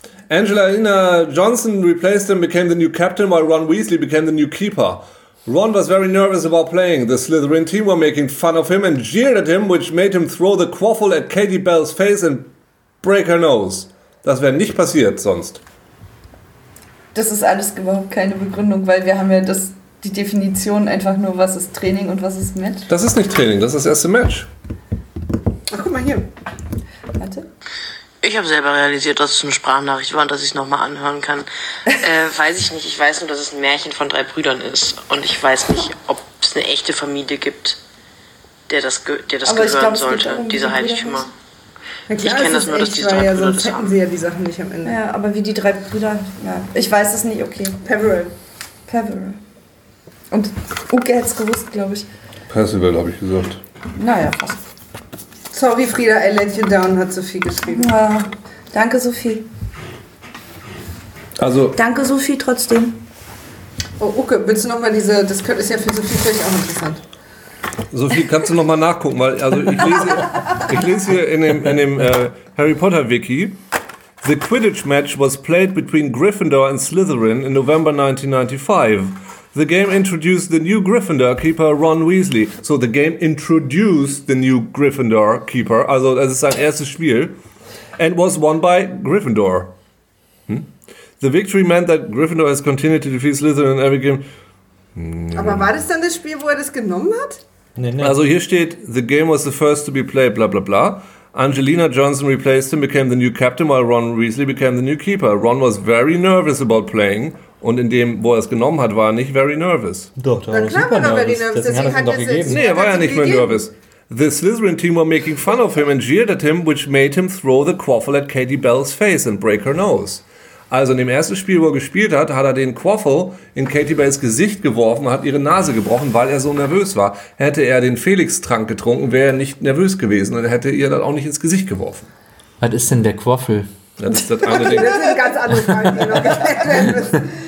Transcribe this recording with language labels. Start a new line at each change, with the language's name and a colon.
English: Angelina Johnson replaced him, became the new captain, while Ron Weasley became the new keeper. Ron was very nervous about playing. The Slytherin team were making fun of him and jeered at him, which made him throw the quaffle at Katie Bell's face and break her nose.
German: Das wäre nicht passiert sonst. Das ist alles überhaupt keine Begründung, weil wir haben ja das, die Definition einfach nur, was ist Training und was ist Match. Das ist nicht Training, das ist das erste Match. Ach, guck mal hier. Warte. Ich habe selber realisiert, dass es eine Sprachnachricht war und dass ich es nochmal anhören kann. Weiß ich nicht. Ich weiß nur, dass es ein Märchen von drei Brüdern ist. Und ich weiß nicht, ob es eine echte Familie gibt, der das aber gehören glaub, sollte, diese Heiligtümer. Klar, ich kenne das nur, dass die drei Brüder sonst hätten sie ja die Sachen nicht am Ende. Ja, aber wie die drei Brüder, ja. Ich weiß es nicht, okay. Peveril. Und Uke hätte es gewusst, glaube ich. Percival, habe ich gesagt. Naja, fast.
English: Sorry, Frieda, I let you down,
German: hat Sophie geschrieben. Ja, danke, Sophie. Also. Danke, Sophie, trotzdem. Oh, okay, willst du nochmal diese. Das ist ja für Sophie vielleicht auch interessant. Sophie, kannst du nochmal nachgucken? Weil, also, ich lese hier in dem Harry Potter Wiki:
English: The Quidditch match was played between Gryffindor and Slytherin in November 1995. The game introduced the new Gryffindor keeper Ron Weasley. So the game introduced the new Gryffindor keeper,
German: also das ist sein erstes Spiel,
English: and was won by Gryffindor. The victory meant that Gryffindor has continued to defeat Slytherin in every game.
German: Aber war das dann das Spiel, wo er das genommen hat? Nee. Also hier steht,
English: the game was the first to be played, bla bla bla. Angelina Johnson replaced him, became the new captain, while Ron Weasley became the new keeper. Ron was very nervous about playing.
German: Und in dem, wo er es genommen hat, war er nicht
English: very nervous.
German: Doch, da war er super nervous. Nee, er war ja nicht mehr nervous.
English: The Slytherin team were making fun of him and jeered at him, which made him throw the quaffle at Katie Bell's face and break her nose.
German: Also in dem ersten Spiel, wo er gespielt hat, hat er den Quaffle in Katie Bells Gesicht geworfen und hat ihre Nase gebrochen, weil er so nervös war. Hätte er den Felix-Trank getrunken, wäre er nicht nervös gewesen und hätte ihr dann auch nicht ins Gesicht geworfen. Was ist denn der Quaffle? Das ist das eine Ding. Das ist eine ganz andere Frage, die noch